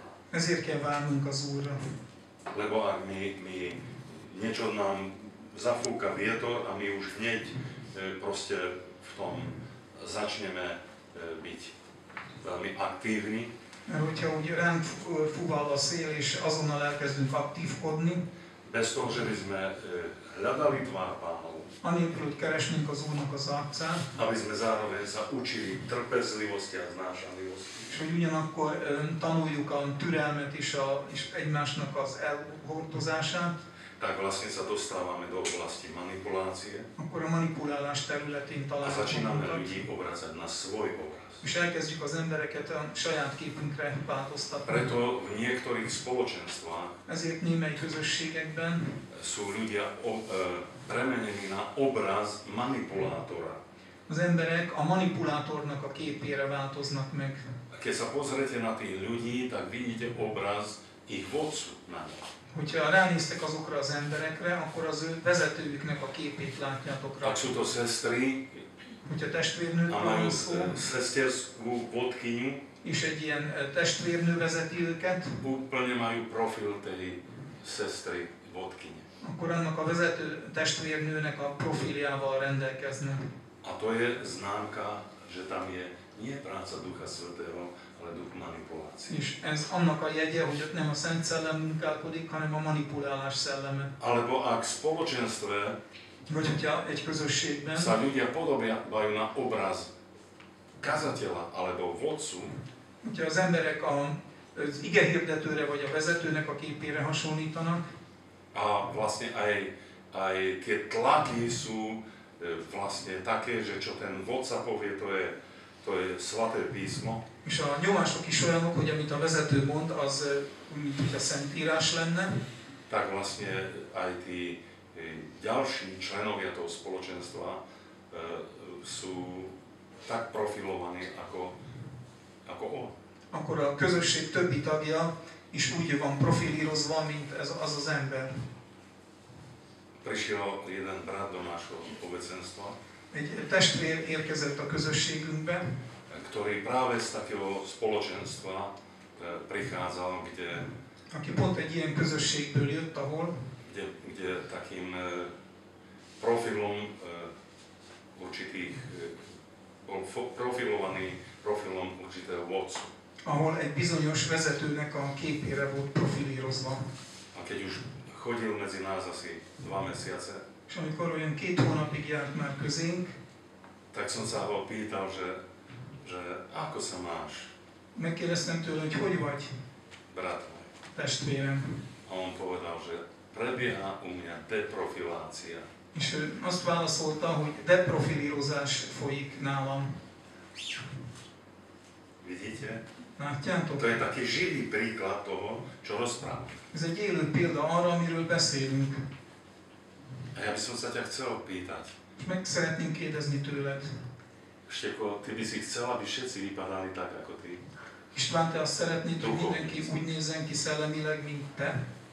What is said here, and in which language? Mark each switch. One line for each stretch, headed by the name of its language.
Hungarian: Ezért kell várnunk az Úrra.
Slovak: Lebo ak mi niečo nám zafúka vietor a my už hneď proste v tom začneme byť veľmi aktívni.
Hungarian: Mert hogyha úgy ránk fúval a szél és azonnal elkezdünk aktívkodni.
Slovak: Bez toho, že by sme hľadali tvár Pánov.
Hungarian: Anélkül, hogy keresnénk az Úrnak az arcát.
Slovak: Aby sme zároveň sa učili trpezlivosti a znášanlivosti.
Hungarian: És hogy ugyanakkor tanuljuk a türelmet és, a, és egymásnak az elhordozását.
Slovak: Tak vlastne sa dostávame do oblasti manipulácie.
Hungarian: Akkor a manipulálás területén találkozunk.
Slovak: A začíname ľudí obrázať na svoj obraz.
Hungarian: És elkezdjük az embereket a saját képünkre változtatni.
Slovak: Preto v niektorých spoločenstvách.
Hungarian: Ezért némely közösségekben.
Slovak: Sú ľudia premenení na obraz manipulátora.
Hungarian: Az emberek a manipulátornak a képére változnak meg.
Slovak: Keď sa pozrete na tých ľudí, tak vidíte obraz ich vodcu na ne.
Hungarian: Hogyha ránéztek azokra az emberekre, akkor az ő vezetőjüknek a képét látjátok rá.
Slovak: Ak sú to sestry,
Hungarian: hogyha testvérnőkről van szó,
Slovak: sesterskú vodkyňu,
Hungarian: és egy ilyen testvérnő vezeti őket,
Slovak: úplne majú profil tej sestry vodkyne.
Hungarian: Akkor annak a vezető testvérnőnek a profiliával rendelkeznek.
Slovak: A to je známka, že tam je nie práca Ducha Svätého, ale duch manipulácie.
Hungarian: És ez annak a jegye, hogy ott nem a Szent Szellem munkálkodik, hanem a manipulálás szelleme.
Slovak: Alebo ak spoločenstve,
Hungarian: vagy hogyha egy közösségben
Slovak: sa ľudia podobajú na obraz kazateľa alebo vodcu,
Hungarian: hogyha az emberek az ige hirdetőre vagy a vezetőnek a képére hasonlítanak,
Slovak: a vlastne aj tie tlaky sú vlastne také, že čo ten vodca povie, to je svaté písmo.
Hungarian: És a nyomások is olyanok, hogy amit a vezető mond, az mintha szentírás lenne.
Slovak: Tak vlastne aj tí ďalší členovia toho spoločenstva sú tak profilovaní ako on.
Hungarian: Akkor a közösség többi tagja is úgy van profilírozva, mint ez, az az ember.
Slovak: Prišiel jeden brat do nášho obecenstva.
Hungarian: Egy testvér érkezett a közösségünkbe,
Slovak: ktorý práve z takého spoločenstva prichádzal, kde...
Hungarian: Aki pont egy ilyen közösségből jött, ahol...
Slovak: Kde takým profilom určitých... Bol profilovaný profilom určitého vodcu.
Hungarian: Ahol egy bizonyos vezetőnek a képére volt profilírozva.
Slovak: A keď už chodil medzi nás asi 2 mesiace,
Hungarian: és amikor olyan 2 hónapig járt már közénk,
Slovak: tak som sa ho pýtal, že ako sa máš?
Hungarian: Megkérdeztem tőle, hogy hogy vagy?
Slovak: Brat môj.
Hungarian: Testvérem.
Slovak: A on povedal, že prebieha u mňa deprofilácia.
Hungarian: És ő azt válaszolta, hogy deprofilírozás folyik nálam.
Slovak: Vidíte? To je taky živý příklad toho, co rozprávám.
Hungarian: Ez egy élő példa arra, amiről beszélünk.
Slovak: A já bych se tě chcel opýtať.
Hungarian: Meg szeretném kérdezni tőled.
Slovak: Štěko, ty bys chcel, aby všetci vypadali tak, jako ty.
Hungarian: István, te azt szeretnéd, hogy mindenki úgy nézzen ki szellemileg, mint te?